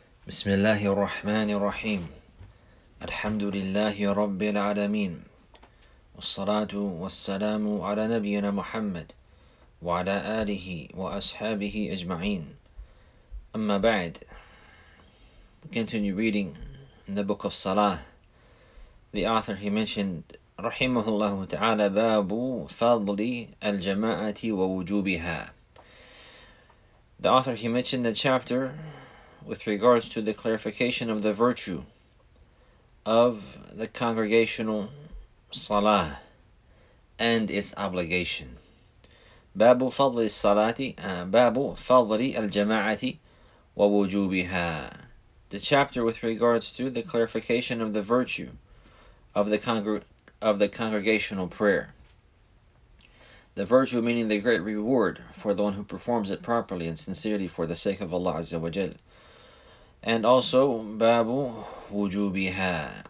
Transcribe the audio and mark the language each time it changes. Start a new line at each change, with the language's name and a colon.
Arabic: بسم الله الرحمن الرحيم الحمد لله رب العالمين والصلاة والسلام على نبينا محمد وعلى آله وأصحابه أجمعين أما بعد
English: We continue reading in the book of Salah. The author, he mentioned
Arabic: رحمه الله تعالى باب فضل الجماعة ووجوبها.
English: The author, he mentioned the chapter with regards to the clarification of the virtue of the congregational salah and its obligation.
Arabic: بابو فضل الصلاة بابو فضل الجماعة ووجوبها.
English: The chapter with regards to the clarification of the virtue of the congregational prayer. The virtue meaning the great reward for the one who performs it properly and sincerely for the sake of Allah Azza wa Jal. And also,
Arabic: بَابُ وُجُوبِهَا.